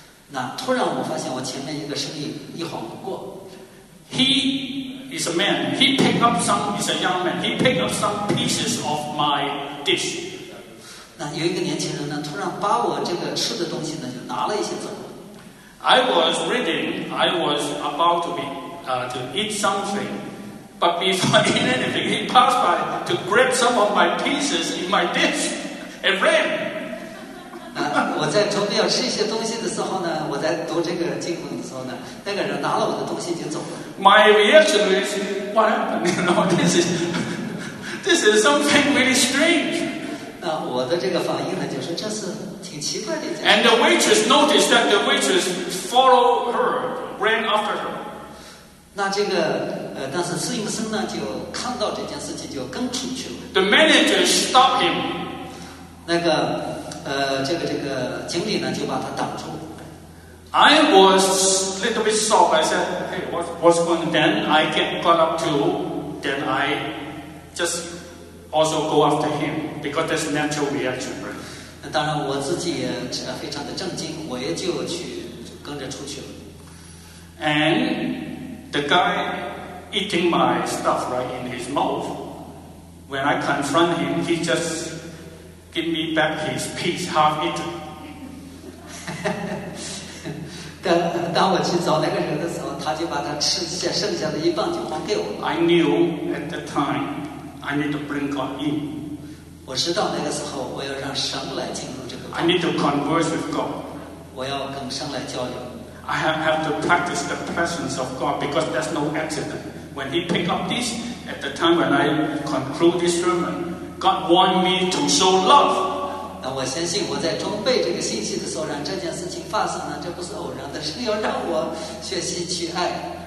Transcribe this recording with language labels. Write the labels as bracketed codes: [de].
[zh] 那突然我发现我前面一个身影一晃而过。 [en] He. Is a man. He picked up some. Is a young man. He picked up some pieces of my dish. [zh] 那有一个年轻人呢，突然把我这个吃的东西呢，就拿了一些走。 [en] I was reading. I was about to be to eat something, but before eating anything, he passed by to grab some of my pieces in my dish and ran. [zh] 我在准备要吃一些东西的时候呢，我在读这个经文的时候呢，那个人拿了我的东西就走了。 [en] My reaction is, what happened? You know, this is something really strange. [zh] 那我的这个反应呢，就是这是挺奇怪的。 [en] And the waitress noticed that the waitress followed her, ran after her. [zh] 那这个但是侍应生呢，就看到这件事情就跟出去了。 [en] The manager stopped him. [zh] 那个这个经理呢，就把他挡住。 [en] I was a little bit shocked. I said, "Hey, what's going on?" Then I got up too. Then I just also go after him because that's natural reaction, right? [zh] 那当然，我自己也非常的震惊，我也就去跟着出去了。 [en] And the guy eating my stuff right in his mouth. When I confront him, he just give me back his piece half eaten. [zh] 当我去找那个人的时候，他就把他吃下剩下的一半就还给我。 [en] I knew at the time I need to bring God in. [zh] 我知道那个时候我要让神来进入这个。 [en] I need to converse with God. [zh] 我要跟神来交流。 [en] I have to practice the presence of God because there's no accident. When He picked up this at the time when I conclude this sermon, God wants me to show love. [zh] 我相信我在装备这个信息的时候让这件事情发生了，这不是偶然的，是要让我学习去爱